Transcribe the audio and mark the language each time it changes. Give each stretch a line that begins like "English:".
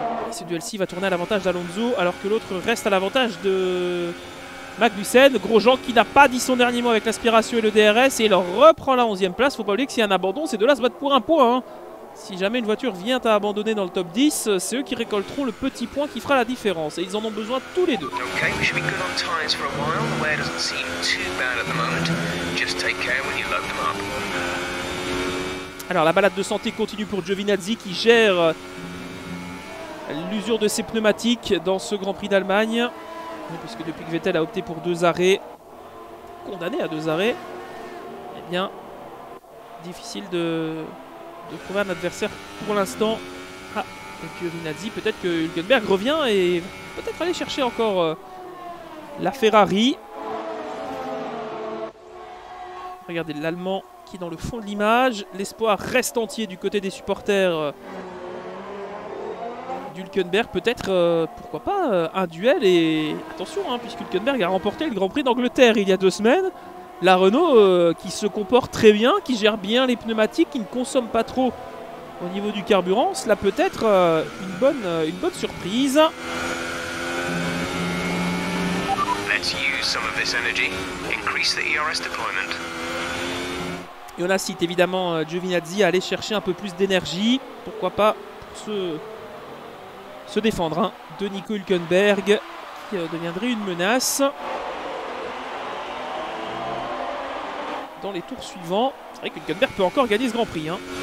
French: Ce duel-ci va tourner à l'avantage d'Alonso, alors que l'autre reste à l'avantage de Magnussen. Grosjean qui n'a pas dit son dernier mot avec l'aspiration et le DRS, et il reprend la 11e place. Faut pas oublier que s'il y a un abandon, ces deux-là se battent pour un point. Hein. Si jamais une voiture vient à abandonner dans le top 10, c'est eux qui récolteront le petit point qui fera la différence. Et ils en ont besoin tous les deux.
English: Ok, we should be good on tires for a while. The wear doesn't seem too bad at the moment. Just take care when you load them up.
French: Alors la balade de santé continue pour Giovinazzi qui gère l'usure de ses pneumatiques dans ce Grand Prix d'Allemagne. Puisque depuis que Vettel a opté pour deux arrêts, condamné à deux arrêts, eh bien, difficile de trouver un adversaire pour l'instant. Ah, et Giovinazzi, peut-être que Hülkenberg revient et peut-être aller chercher encore la Ferrari. Regardez l'Allemand qui est dans le fond de l'image. L'espoir reste entier du côté des supporters d'Hülkenberg. Peut-être, pourquoi pas, un duel. Et attention, hein, puisque Hülkenberg a remporté le Grand Prix d'Angleterre il y a deux semaines. La Renault qui se comporte très bien, qui gère bien les pneumatiques, qui ne consomme pas trop au niveau du carburant, cela peut être une bonne surprise.
English: Let's use some of this energy. Increase the ERS deployment.
French: Et on incite évidemment Giovinazzi à aller chercher un peu plus d'énergie, pourquoi pas pour se défendre hein, de Nico Hülkenberg qui deviendrait une menace. Dans les tours suivants, c'est vrai qu'Hülkenberg peut encore gagner ce Grand Prix. Hein.